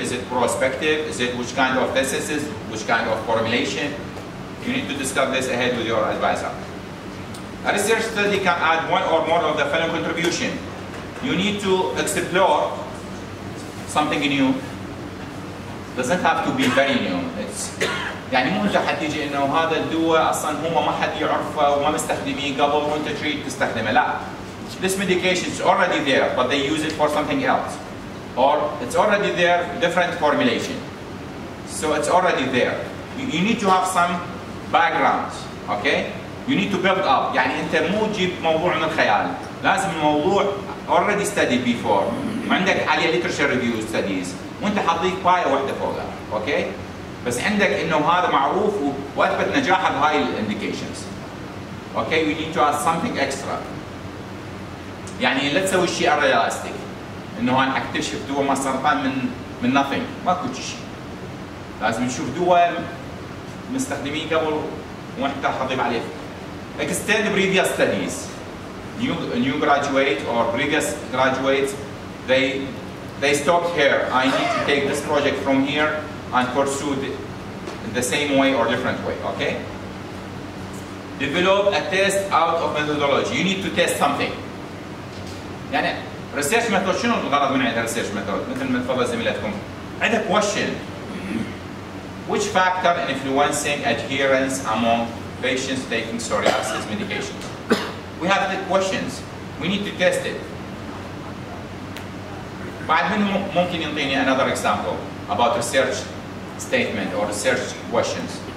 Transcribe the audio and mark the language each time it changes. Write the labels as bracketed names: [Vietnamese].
[English] Is it prospective? Is it which kind of thesis? Which kind of formulation? You need to discuss this ahead with your advisor. A research study can add one or more of the following contribution. You need to explore something new. Doesn't have to be very new. [Arabic] يعني مو حد تيجي انه هذا الدواء اصلا هو ما حد يعرفه وما مستخدميه قبل وانت تريد تستخدمه لا. [English] This medication is already there, but they use it for something else. Or it's already there, different formulation. So it's already there. You need to have some background, okay? You need to build up. [Arabic] يعني انت مو جيب موضوع من الخيال. لازم الموضوع [English] already studied before. [Arabic] عندك عليه literature review studies. وانت حاطيك باية واحدة فوقها، اوكي؟ بس عندك انه هذا معروف واثبت نجاحه بهاي الانديكيشنز. اوكي، [English] We need to add something extra. [Arabic] يعني لا تسوي شيء ريالستيك انه انا اكتشف دواء ما سرطان من نثينج، ماكو شيء. لازم نشوف دواء مستخدمين قبل ونحن حاطين عليه. [English] Extend previous studies. New graduate or previous graduates, they stopped here. I need to take this project from here and pursue the same way or different way. Okay. Develop a test out of methodology. You need to test something. [Arabic] يعني research method شنو الغرض من عند research method؟ مثل ما تفضل زميلتكم. [English] عند question. Which factor influencing adherence among patients taking psoriasis medication? We have the questions. We need to test it. [Arabic] بعد منه ممكن يعطيني [English] another example about research statement or research questions.